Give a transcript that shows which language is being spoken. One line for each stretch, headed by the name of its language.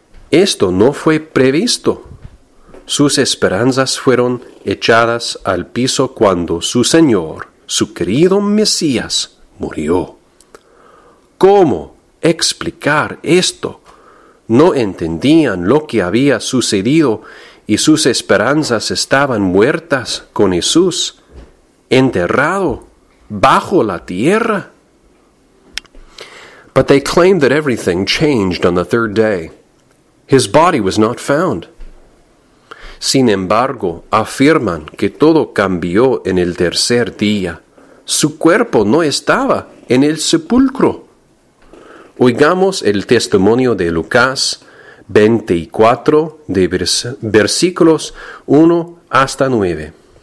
Spanish: Esto no fue previsto. Sus esperanzas fueron echadas al piso cuando su Señor, su querido Mesías, murió. ¿Cómo explicar esto? No entendían lo que había sucedido y sus esperanzas estaban muertas con Jesús. Enterrado bajo la tierra.
English: But they claimed that everything changed on the third day. His body was not found.
Spanish: Sin embargo, afirman que todo cambió en el tercer día. Su cuerpo no estaba en el sepulcro. Oigamos el testimonio de Lucas 24, de versículos 1 hasta 9.